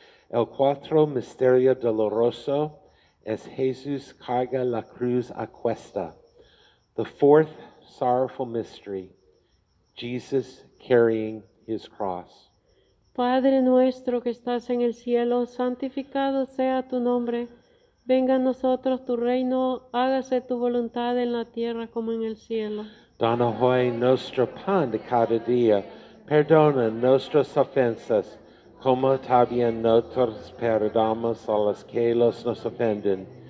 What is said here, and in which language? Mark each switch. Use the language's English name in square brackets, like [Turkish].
[Spanish] El cuarto misterio doloroso es Jesús carga la cruz a cuesta. [English] The fourth sorrowful mystery, Jesus carrying his cross. [Spanish] Padre nuestro que estás en el cielo, santificado sea tu nombre. Venga a nosotros tu reino, hágase tu voluntad en la tierra como en el cielo. Danos hoy nuestro pan de cada día. Perdona nuestras ofensas, como también nosotros perdamos a los que nos ofenden.